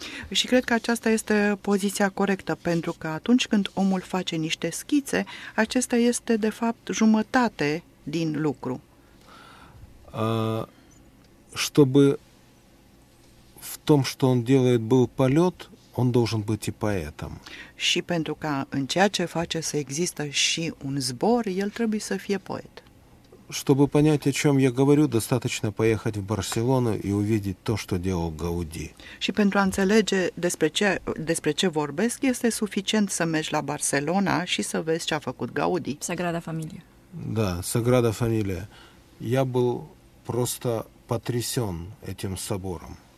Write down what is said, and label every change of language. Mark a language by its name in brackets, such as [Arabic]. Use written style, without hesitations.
[Romanian] Și cred că aceasta este poziția corectă, pentru că atunci când omul face niște schițe, acesta este de fapt jumătate din lucru. [Russian] Чтобы в том, что он делает, был полет, он должен быть и поэтом. [Romanian] Și pentru ca în ceea ce face să există și un zbor, el trebuie să fie poet. [Russian] Чтобы понять, о чем я говорю, достаточно поехать в Барселону и увидеть то, что делал Гауди. [Romanian] Și pentru a înțelege despre ce vorbesc, este suficient să mergi la Barcelona și să vezi ce a făcut Gaudi. [Spanish] Sagrada Familia. [Russian] Да, Sagrada Familia. Я был просто потрясен этим собором.